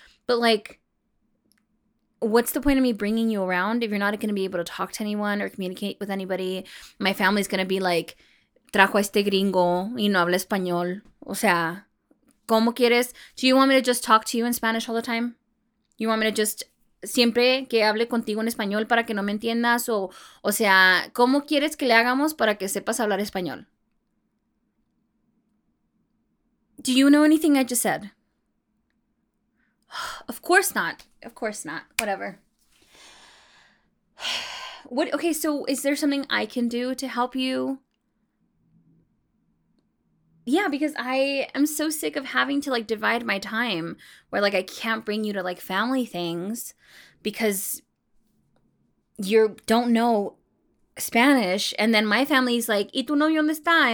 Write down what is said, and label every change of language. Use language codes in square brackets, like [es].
[en] But like, what's the point of me bringing you around if you're not going to be able to talk to anyone or communicate with anybody? My family's going to be like, [es] trajo este gringo y no habla español. O sea, ¿cómo quieres? [en] Do you want me to just talk to you in Spanish all the time? You want me to just [es] siempre que hable contigo en español para que no me entiendas? O sea, ¿cómo quieres que le hagamos para que sepas hablar español? [en] Do you know anything I just said? Of course not. Of course not. Whatever. What? Okay, so is there something I can do to help you? Yeah, because I am so sick of having to like divide my time where like I can't bring you to like family things because you don't know Spanish, and then my family's like, [es] ¿y tu novio dónde está?